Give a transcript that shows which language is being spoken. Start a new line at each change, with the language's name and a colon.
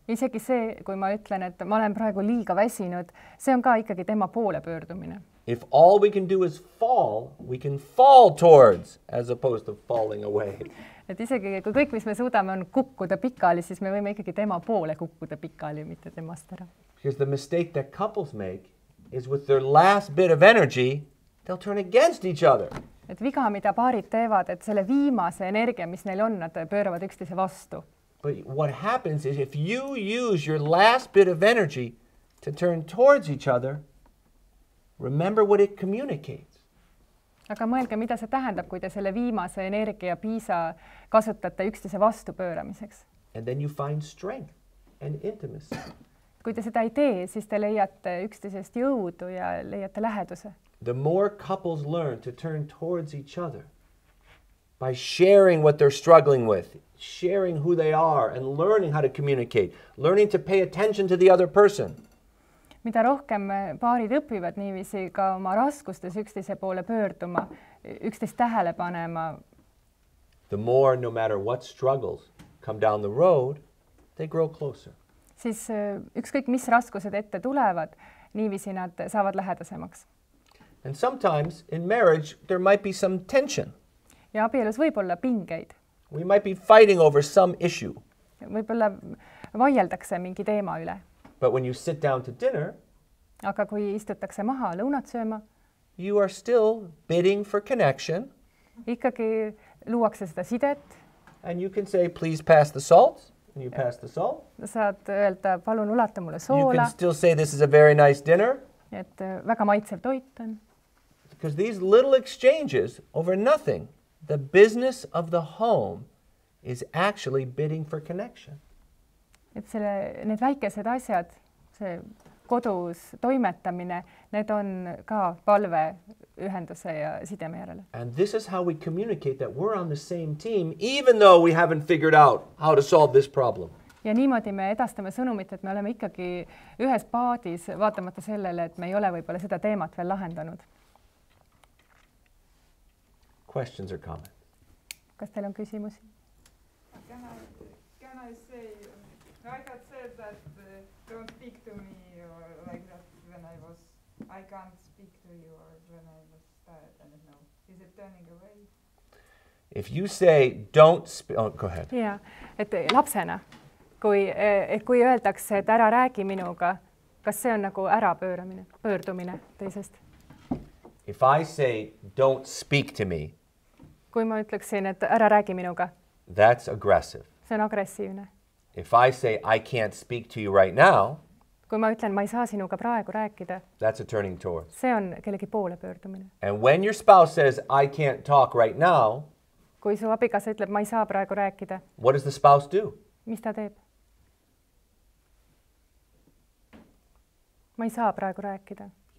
Estonian: Isegi see, kui ma ütlen, et ma olen praegu liiga väsinud, see on ka ikkagi tema poole pöördumine.
English: If all we can do is fall, we can fall towards as opposed to falling away.
Estonian: Et isegi kui kõik, mis me suudame, on kukkuda pikali, siis me võime ikkagi tema poole kukkuda pikali, mitte temast ära.
English: Because the mistake that couples make is with their last bit of energy, they'll turn against each other.
Estonian: Et viga, mida paarid teevad, et selle viimase energia, mis neil on, nad pööravad üksteise vastu.
English: But what happens is if you use your last bit of energy to turn towards each other, remember what it communicates.
Estonian: Aga mõelge, mida see tähendab, kui te selle viimase energia piisa kasutate üksteise vastu pööramiseks.
English: And then you find strength and intimacy.
Estonian: Kui te seda ei tee, siis te leiate üksteisest jõudu ja leiate läheduse.
English: The more couples learn to turn towards each other by sharing what they're struggling with, sharing who they are and learning how to communicate, learning to pay attention to the other person.
Estonian: Mida rohkem paarid õpivad niiviisi ka oma raskustes üksteise poole pöörduma, üksteist tähele panema.
English: The more, no matter what struggles come down the road, they grow closer.
Estonian: Siis ükskõik, mis raskused ette tulevad, niiviisi nad saavad lähedasemaks.
English: And sometimes in marriage there might be some tension.
Estonian: Ja abielus võib olla pingeid.
English: We might be fighting over some issue.
Estonian: Võib-olla vaieldakse mingi teema üle.
English: But when you sit down to dinner,
Estonian: aga kui istutakse maha lõunat sööma,
English: you are still bidding for connection.
Estonian: Ikkagi luuakse seda sidet.
English: And you can say, please pass the salt. And you pass the salt.
Estonian: Saad öelda, palun ulata mulle soola.
English: You can still say, this is a very nice dinner.
Estonian: Et väga maitsev toit on.
English: Because these little exchanges over nothing, the business of the home is actually bidding for connection.
Estonian: Et selle, need väikesed asjad, see kodus toimetamine, need on ka palve ühenduse ja sideme järele.
English: And this is how we communicate that we're on the same team, even though we haven't figured out how to solve this problem.
Estonian: Ja niimoodi me edastame sõnumit, et me oleme ikkagi ühes paadis, vaatamata sellele, et me ei ole võib-olla seda teemat veel lahendanud.
English: Questions or comments?
Estonian: Kas teil on küsimusi?
English: Can I say, Reinhard said that don't speak to me or like that when I can't speak to you or when I was tired, I don't know. Is it turning away? If you say don't speak, oh, go ahead.
Estonian: Yeah, et lapsena, kui öeldakse, et ära räägi minuga, kas see on nagu ära pööramine, pöördumine teisest?
English: If I say don't speak to me,
Estonian: kui ma ütleksin, et ära räägi minuga.
English: That's aggressive.
Estonian: See on aggressiivne.
English: If I say, I can't speak to you right now,
Estonian: kui ma ütlen, ma ei saa sinuga praegu rääkida,
English: that's a turning towards.
Estonian: See on kellegi poole pöördumine.
English: And when your spouse says, I can't talk right now,
Estonian: kui su abikas ütleb, ma ei saa praegu rääkida,
English: what does the spouse do?
Estonian: Mis ta teeb? Ma ei saa praegu rääkida.